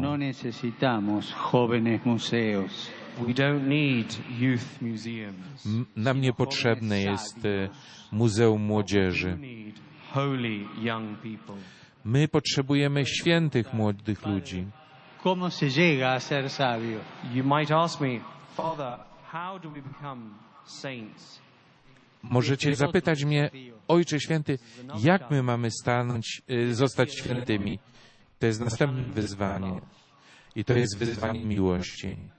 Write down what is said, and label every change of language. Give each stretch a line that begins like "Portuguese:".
Spanish: No necesitamos jóvenes museos.
English: We don't need youth museums.
Polish: Nam nie potrzebne jest muzeum młodzieży.
English: Holy young people.
Polish: My potrzebujemy świętych młodych ludzi.
Spanish: ¿Cómo se llega a ser sabio?
English: You might ask me, Father, how do we become saints?
Polish: Możecie zapytać mnie, Ojcze Święty, jak my mamy zostać świętymi? To jest następne wyzwanie. I to jest wyzwanie miłości.